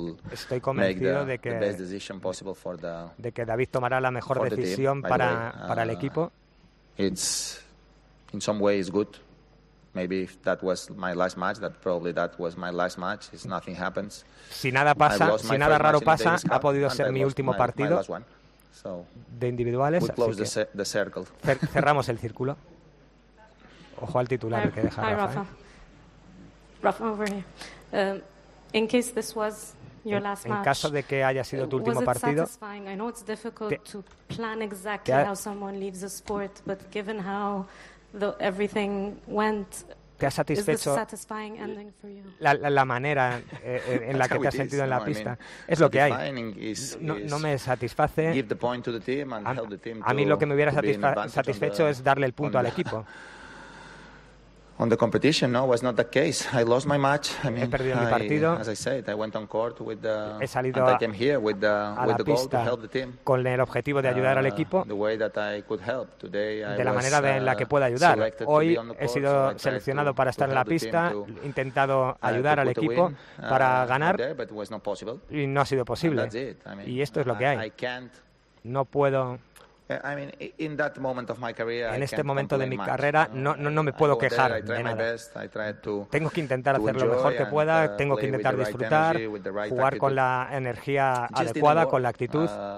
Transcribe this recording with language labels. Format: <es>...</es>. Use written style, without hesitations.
<es>Estoy convencido de que David tomará la mejor decisión para el equipo.</es> <en>In some way it's good. Maybe if that was my last match, that probably that was my last match. If nothing happens,</en> <es>si nada pasa, si nada raro pasa, ha podido ser mi último partido de individuales.</es> <en>We close the circle.</en> <es>Cerramos el círculo. Ojo al titular que deja Rafa.</es> <en>Rafa, over here. In case this was your last match.</en> <es>En caso de que haya sido tu último partido.</es> <en>I know it's difficult to plan exactly how someone leaves a sport, but given how everything went,</en> <es>¿Te ha satisfecho la manera en la que te has sentido en la pista? Es lo que hay. No me satisface. A mí lo que me hubiera satisfecho es darle el punto al equipo.</es> <en>On the competition, no, was not the case. I lost my match. I mean,</en> <es>he perdido mi partido.</es> <en>I went on court with the.</en> <es>He salido</es> <en>and I came here with the with the goal to help the team.</en> <es>Con el objetivo de ayudar al equipo.</es> <en>The way that I could help today.</en> <es>De la manera en la que pueda ayudar. Hoy he sido seleccionado para estar en la pista, intentado ayudar al equipo para ganar.</es> <en>But it was not possible.</en> <es>Y no ha sido posible.</es> <en>And that's it. I mean,</en> <es>y esto es lo que hay.</es> <en>I can't.</en> <es>No puedo.</es> <en>I mean, in that moment of my career,</en> <es>en este momento de mi carrera no me puedo quejar de nada. Tengo que intentar hacer lo mejor que pueda, tengo que intentar disfrutar, jugar con la energía adecuada, con la actitud.</es>